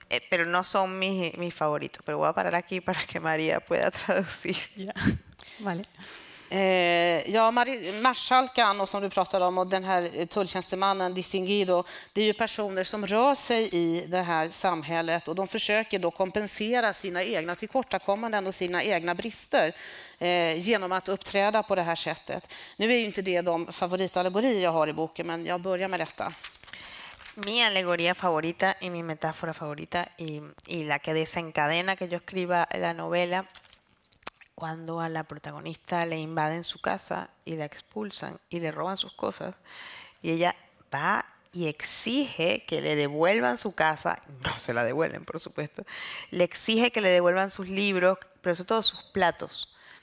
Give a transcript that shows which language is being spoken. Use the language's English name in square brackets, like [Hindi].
[Spanish] Pero no son mis favoritos. Pero voy a parar aquí para que María pueda traducir. Ya. Vale. [Swedish] Ja, marschalkan och som du pratade om och den här tulltjänstemannen Distinguido, det är ju personer som rör sig i det här samhället och de försöker då kompensera sina egna tillkortakommanden och sina egna brister genom att uppträda på det här sättet. Nu är ju inte det de favoritallegorier jag har i boken, men jag börjar med detta. [Spanish] Min allegoria favorita y mi metáfora favorita y la que desencadena que yo escriba la novela cuando a la protagonista le invaden su casa y la expulsan y le roban sus cosas y ella va y exige que le devuelvan su casa, no se la devuelven, por supuesto, le exige que le devuelvan sus libros, pero sobre todo sus platos.